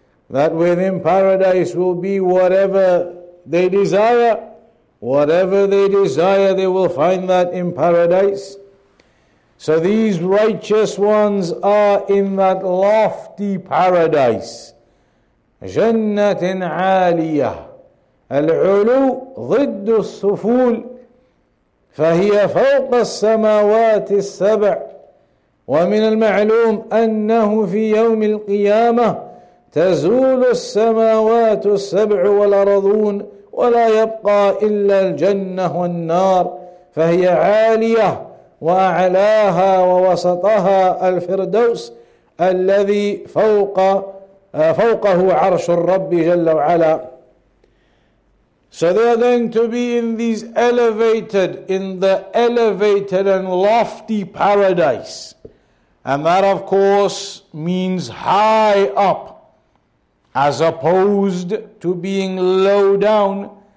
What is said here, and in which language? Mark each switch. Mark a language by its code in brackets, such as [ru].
[en] That within paradise will be whatever they desire. Whatever they desire, they will find that in paradise. So these righteous ones are in that lofty paradise. [ar] جنة عالية العلو ضد السفول فهي فوق السماوات السبع ومن المعلوم أنه في يوم القيامة تزول السماوات السبع والأرضون ولا يبقى إلا الجنة والنار فهي عالية وأعلاها ووسطها الفردوس الذي فوق فوقه عرش الرب جل وعلا. [en] So they are going to be in these elevated, in the elevated and lofty paradise. And that of course means high up, as opposed to being low down.